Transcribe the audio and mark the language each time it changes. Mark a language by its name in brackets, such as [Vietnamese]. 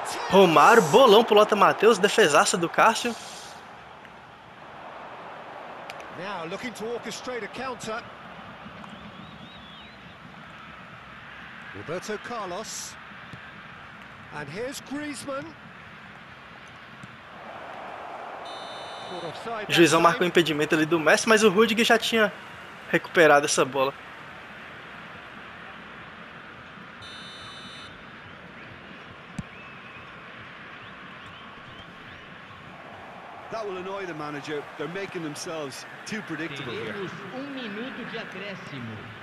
[Portuguese] Romário, bolão pro Lota Matheus, defesaça do Cássio. [English] Now looking to orchestrate a counter. Roberto Carlos. And here's Griezmann. [Portuguese] Juizão marcou o impedimento ali do Messi, mas o Rüdiger já tinha recuperado essa bola. [English] That will annoy the manager. They're making themselves too predictable here. [Portuguese] Temos um minuto de acréscimo.